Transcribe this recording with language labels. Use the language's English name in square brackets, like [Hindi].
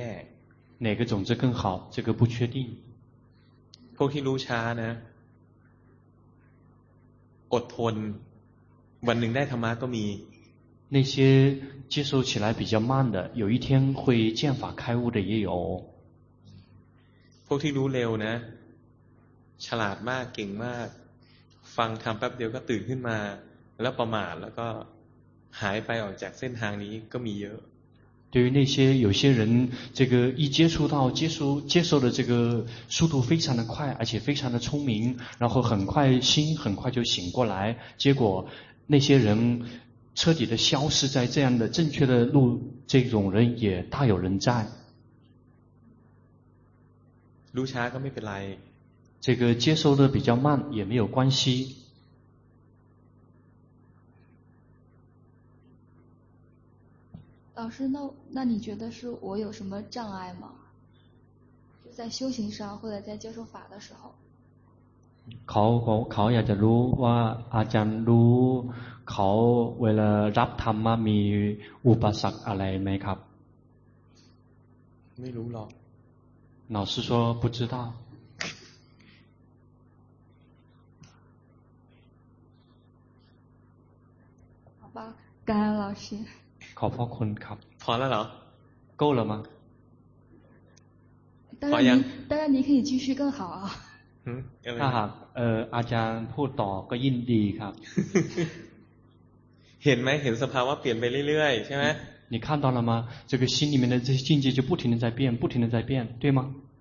[Chinese] 哪个种子更好这个不确定 [Thai] พวกที่รู้ช้านะอดทนวันหนึ่งได้ธรรมะก็มี [Chinese] 那些接受起来比较慢的有一天会见法开悟的也有 [Thai] พวกที่รู้เร็วนะฉลาดมากเก่งมากฟังทำแป๊บเดียวก็ตื่นขึ้นมาแล้วประมาทแล้วก็หายไปออกจากเส้นทางนี้ก็มีเยอะ [Chinese] 对于那些有些人这个一接触到接受的这个速度非常的快而且非常的聪明然后很快心很快就醒过来结果那些人彻底的消失在这样的正确的路这种人也大有人在 [Thai] รู้ช้าก็ไม่เป็นไร [Chinese] 这个接收的比较慢也没有关系老师 那你觉得是我有什么障碍吗就在修行上或者在接受法的时候 [Thai] เขาอยากจะรู้ว่าอาจารย์รู้เขาเวลารับธรรมมีอุปสรรคอะไรไหมครับ ไม่รู้หรอก [Chinese] 老师说不知道感恩老师 [Thai] ขอบพระคุณครับ พอแล้วเหร [Chinese] อ够了吗当然你可以继续更好啊 [Thai] ถ้าหากอาจารย์พูดต่อก็ยินดีครับ เห็นไหมเห็นสภาวะเปลี่ยนไปเรื่อยๆใช่ไหม [Chinese] 你看到了吗这个心里面的这些境界就不停的在变不停的在变对吗